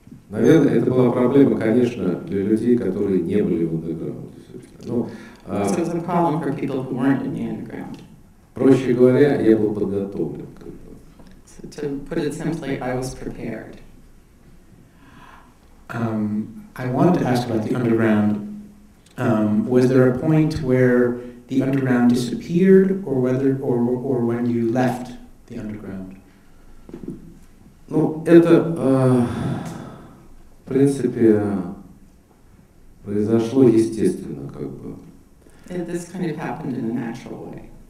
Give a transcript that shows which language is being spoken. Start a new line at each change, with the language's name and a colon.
Russian: Наверное, это была проблема, конечно, для людей, которые не были в андеграунде. Ну,
English: so it was a problem for people who weren't in the underground.
Russian: Проще говоря, я был подготовлен, как бы.
English: To put it simply, I was prepared. I wanted to ask about the underground. Was there a point where the underground disappeared, or when you left the underground?
Russian: Ну, это, в принципе, произошло естественно, как бы.
English: And this kind of happened in a natural way.